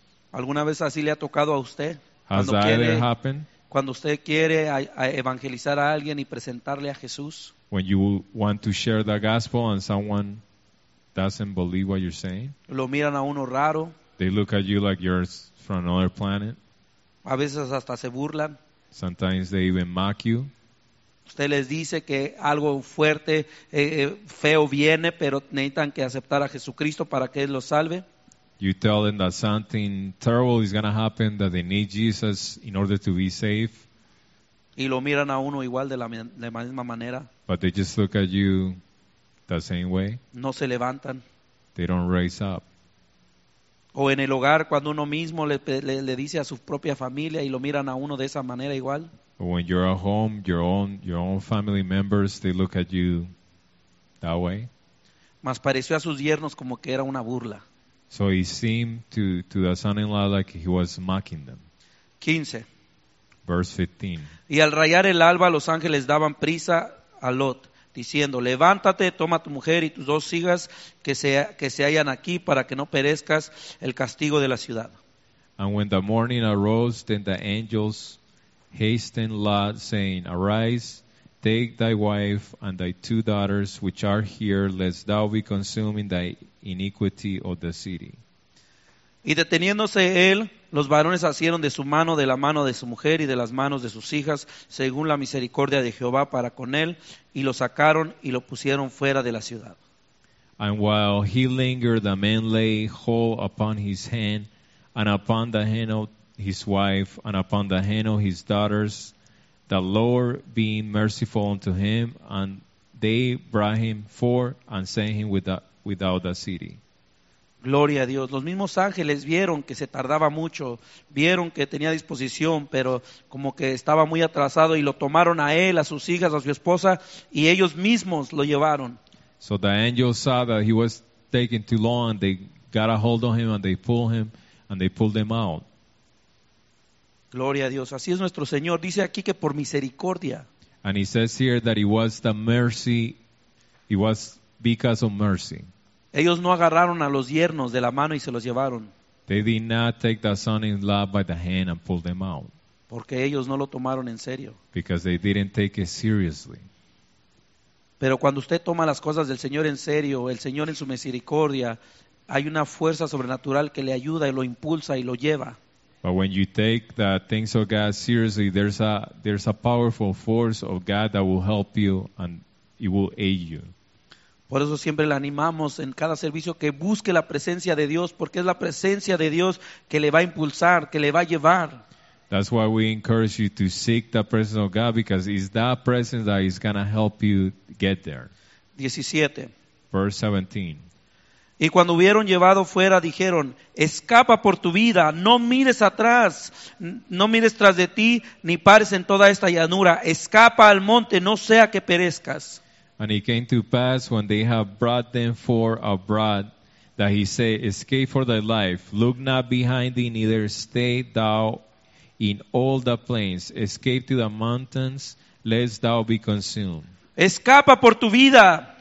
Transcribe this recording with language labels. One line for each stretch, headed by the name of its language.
Spanish: ¿Alguna vez así le ha tocado a usted?
English: Has that ever happened?
Spanish: Cuando usted quiere evangelizar a alguien y presentarle a Jesús.
English: when you want to share the gospel and someone doesn't believe what you're saying.
Spanish: Lo miran a uno raro.
English: They look at you like you're from another planet.
Spanish: A veces hasta se burlan.
English: Sometimes they even mock you.
Spanish: Usted les dice que algo fuerte, feo viene, pero necesitan que aceptar a Jesucristo para que Él los salve.
English: You tell them that something terrible is going to happen, that they need Jesus in order to be safe.
Spanish: Y lo miran a uno igual de la misma manera.
English: But they just look at you the same way.
Spanish: No se levantan.
English: They don't raise up.
Spanish: O en el hogar, cuando uno mismo le dice a su propia familia y lo miran a uno de esa manera igual.
English: When you're at home, your own family members, they look at you that way.
Spanish: Mas pareció a sus yernos como que era una burla.
English: So he seemed to the son-in-law like he was mocking them.
Spanish: 15.
English: Verse 15.
Spanish: Y al rayar el alba, los ángeles daban prisa a Lot, diciendo, levántate, toma tu mujer y tus dos hijas que se hallan aquí para que no perezcas el castigo de la ciudad.
English: And when the morning arose, then the angels hastened Lot, saying, arise, take thy wife and thy two daughters which are here, lest thou be consumed in thy iniquity of the city.
Spanish: Y deteniéndose él, los varones asieron de su mano, de la mano de su mujer y de las manos de sus hijas, según la misericordia de Jehová para con él, y lo sacaron y lo pusieron fuera de la ciudad.
English: And while he lingered, the man lay whole upon his hand, and upon the hand of his wife, and upon the hand of his daughters, the Lord being merciful unto him, and they brought him forth and sent him without the city.
Spanish: Gloria a Dios. Los mismos ángeles vieron que se tardaba mucho, vieron que tenía disposición, pero como que estaba muy atrasado, y lo tomaron a él, a sus hijas, a su esposa, y ellos mismos lo llevaron.
English: So the angels saw that he was taking too long, and they got a hold of him, and they pulled him, and they pulled them out.
Spanish: Gloria a Dios. Así es nuestro Señor. Dice aquí que por misericordia.
English: And he says here that it was the mercy, it was because of mercy.
Spanish: Ellos no agarraron a los yernos de la mano y se los llevaron.
English: They did not take the son-in-law by the hand and pull them out.
Spanish: Porque ellos no lo tomaron en serio.
English: Because they didn't take it seriously.
Spanish: Pero cuando usted toma las cosas del Señor en serio, el Señor en su misericordia, hay una fuerza sobrenatural que le ayuda y lo impulsa y lo lleva.
English: But when you take the things of God seriously, there's a powerful force of God that will help you and it will aid you.
Spanish: Por eso siempre le animamos en cada servicio que busque la presencia de Dios, porque es la presencia de Dios que le va a impulsar, que le va a llevar.
English: That's why we encourage you to seek the presence of God, because it's that presence that is going to help you get there.
Spanish: 17.
English: Verse 17.
Spanish: Y cuando hubieron llevado fuera, dijeron, escapa por tu vida, no mires atrás, no mires tras de ti, ni pares en toda esta llanura, escapa al monte, no sea que perezcas.
English: And it came to pass, when they have brought them forth abroad, that he said, escape for thy life, look not behind thee, neither stay thou in all the plains, escape to the mountains, lest thou be consumed.
Spanish: Escapa por tu vida.